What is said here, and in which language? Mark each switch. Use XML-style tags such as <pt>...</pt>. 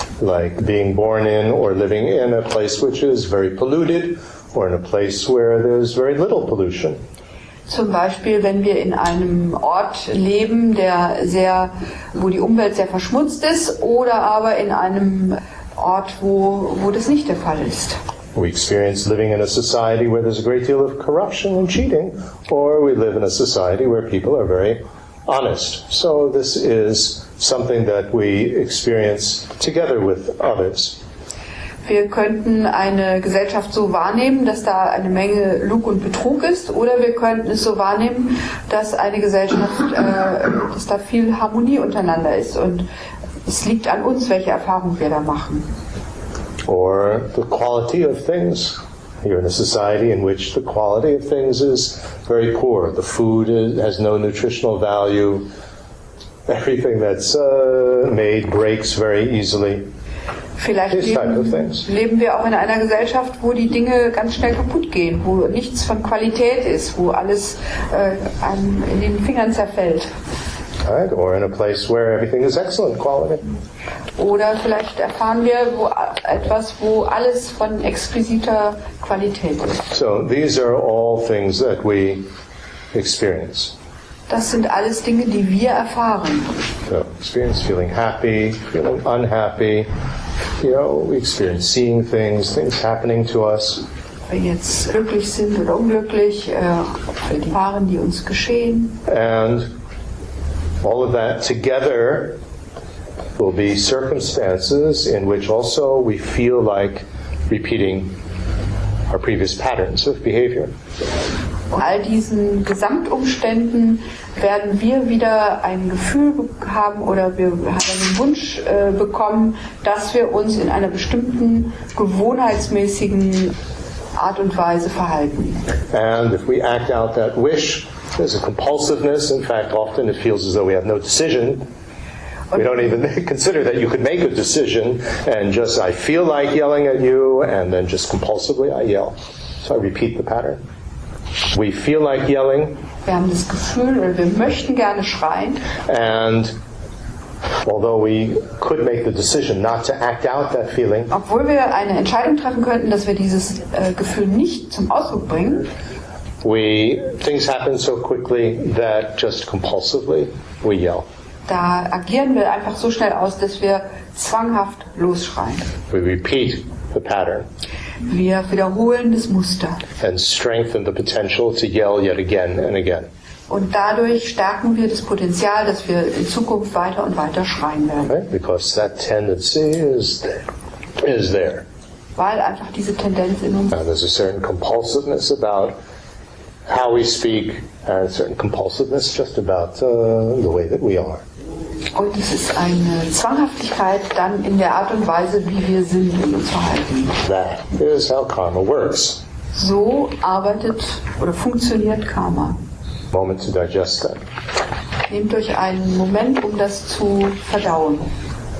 <en>Like being born in or living in a place which is very polluted or in a place where there's very little pollution.</en> <de>Zum Beispiel, wenn wir in einem Ort leben, wo die Umwelt sehr verschmutzt ist, oder aber in einem Ort, wo das nicht der Fall ist.</de> <en>We experience living in a society where there's a great deal of corruption and cheating, or we live in a society where people are very honest. So this is something that we experience together with others.</en> <de>Wir könnten eine Gesellschaft so wahrnehmen, dass da eine Menge Lug und Betrug ist, oder wir könnten es so wahrnehmen, dass eine Gesellschaft, dass da viel Harmonie untereinander ist. Und es liegt an uns, welche Erfahrungen wir da machen.</de> <en>Or the quality of things. You're in a society in which the quality of things is very poor. The food has no nutritional value. Everything that's made breaks very easily.</en> <de>Vielleicht leben wir auch in einer Gesellschaft, wo die Dinge ganz schnell kaputt gehen, wo nichts von Qualität ist, wo alles in den Fingern zerfällt.</de> <en>Right. Or in a place where everything is excellent quality.</en> <de>Oder vielleicht erfahren wir wo alles von exquisiter Qualität ist.</de> <en>So these are all things that we experience.</en> <de>Das sind alles Dinge, die wir erfahren.</de> <en>So experience feeling happy, feeling unhappy. You know, we experience seeing things happening to us.</en> <de>Wenn jetzt glücklich sind oder unglücklich, die Waren, die uns geschehen.</de> <en>And all of that together will be circumstances in which also we feel like repeating our previous patterns of behavior.</en> <de>All diesen Gesamtumständen werden wir wieder ein Gefühl haben oder wir haben einen Wunsch bekommen, dass wir uns in einer bestimmten gewohnheitsmäßigen Art und Weise verhalten.</de> <en>And if we act out that wish, there's a compulsiveness. In fact, often it feels as though we have no decision. We don't even consider that you could make a decision and just, I feel like yelling at you, and then just compulsively I yell. So I repeat the pattern. We feel like yelling.</en> <de>Wir haben das Gefühl, oder wir möchten gerne schreien.</de> <en>And although we could make the decision not to act out that feeling,</en> <de>obwohl wir eine Entscheidung treffen könnten, dass wir dieses Gefühl nicht zum Ausdruck bringen,</de> <en>things happen so quickly that just compulsively we yell.</en> <de>Da agieren wir einfach so schnell aus, dass wir zwanghaft losschreien.</de> <en>We repeat the pattern.</en> <de>Wir wiederholen das Muster.</de> <en>And strengthen the potential to yell yet again and again.</en> <de>Und dadurch stärken wir das Potenzial, dass wir in Zukunft weiter und weiter schreien werden.</de> <en>Right? Because that tendency is there.</en> <de>weil einfach diese Tendenz in uns.</de> <en>There's a certain compulsiveness about how we speak, and a certain compulsiveness just about the way that we are.</en> <de>Und es ist eine Zwanghaftigkeit dann in der Art und Weise, wie wir sind und uns verhalten.</de> <en>That is how karma works.</en> <de>So arbeitet oder funktioniert Karma.</de> <en>Moment to digest that.</en> <de>Nehmt euch einen Moment, um das zu verdauen.</de>